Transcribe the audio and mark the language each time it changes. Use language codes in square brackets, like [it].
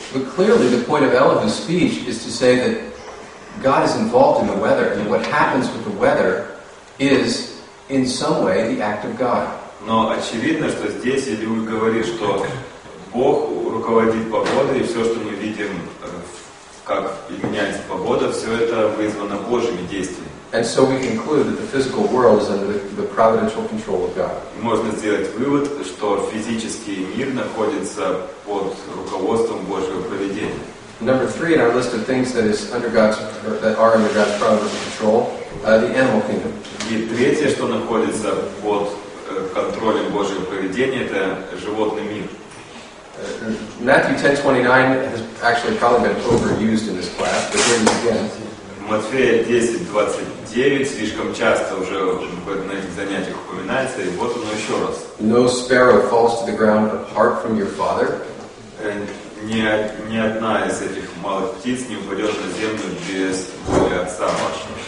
[en] But clearly the point of Elihu's speech is to say that God is involved in the weather, and what happens with the weather is in some way the act of God. [ru] Но очевидно, что здесь Илиуй говорит, что Бог руководит погодой, и все, что мы видим, как меняется погода, все это вызвано Божьими действиями. [en] And so we conclude that the physical world is under the providential control of God. [ru] Можно сделать вывод, что физический мир находится под руководством Божьего провидения. [en] Number three in our list of things that is under God's that are under God's providential control, the animal kingdom. [ru] И третье, что находится под контролем Божьего провидения, это животный мир. [en] Matthew 10:29 has actually probably been overused in this class, but here it is again. [ru] Матфея 10:29 слишком часто уже на этих занятиях упоминается, и вот оно еще раз. [en] No sparrow falls to the ground apart from your father. [ru] Ни одна из этих малых птиц не упадет на землю без воли отца вашего.